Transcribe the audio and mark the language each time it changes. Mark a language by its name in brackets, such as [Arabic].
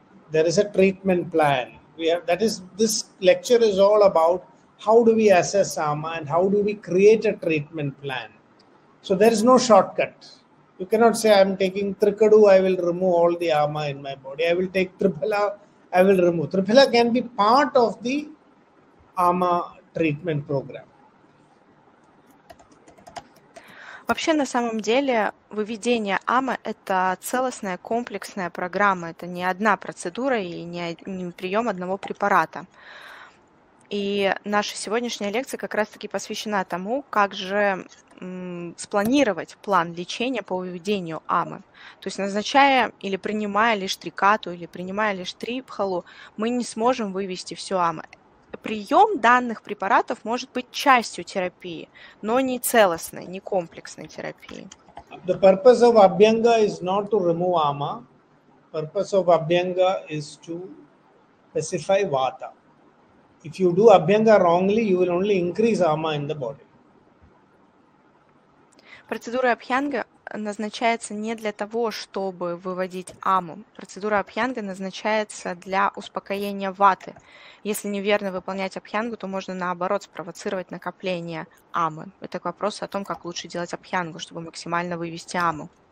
[English] There is a treatment plan. This lecture is all about how do we assess ama and how do we create a treatment plan. So there is no shortcut. You cannot say I am taking Trikadu, I will remove all the ama in my body. I will take Tripala, I will remove. Tripala can be part of the AMA treatment program. [Russian] Вообще, на самом деле, выведение АМА – это целостная, комплексная программа. Это не одна процедура и не прием одного препарата. И наша сегодняшняя лекция как раз-таки посвящена тому, как же спланировать план лечения по выведению АМЫ. То есть назначая или принимая лишь трикату, или принимая лишь трипхалу, мы не сможем вывести всю АМЫ. Прием данных препаратов может быть частью терапии, но не целостной, не комплексной терапии. [English] The purpose of Abhyanga is not to remove AMA. Purpose of Abhyanga is to specify Vata. If you do Abhyanga wrongly, you will only increase AMA in the body. [Russian] Процедура Абхьянга назначается не для того, чтобы выводить АМУ. Процедура Абхьянга назначается для успокоения ваты. Если неверно выполнять Абхьянгу, то можно наоборот спровоцировать накопление АМУ. Это вопрос о том, как лучше делать Абхьянгу, чтобы максимально вывести АМУ.